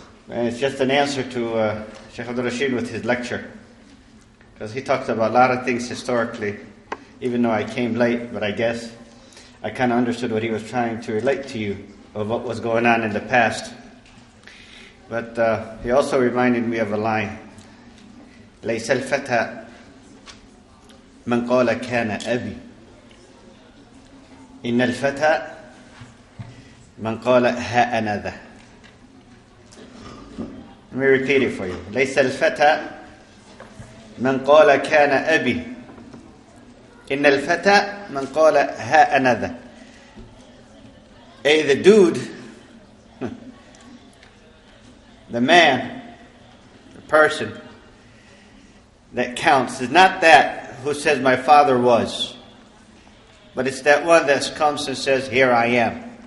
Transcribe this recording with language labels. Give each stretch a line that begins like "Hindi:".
English: And it's just an answer to Sheikh Abdul Rashid with his lecture. Because he talks about a lot of things historically, even though I came late, but I guess I kind of understood what he was trying to relate to you of what was going on in the past. But he also reminded me of a line.
Arabic: ليس الفتى من قال كان أبي إن الفتى من قال ها أنا ذا.
English: Let me repeat it for you.
Arabic: ليس الفتى من قال كان أبي إن الفتى من قال ها أنا ذا.
English: Hey, the dude, the man, the person that counts is not that who says my father was, but it's that one that comes and says, here I am.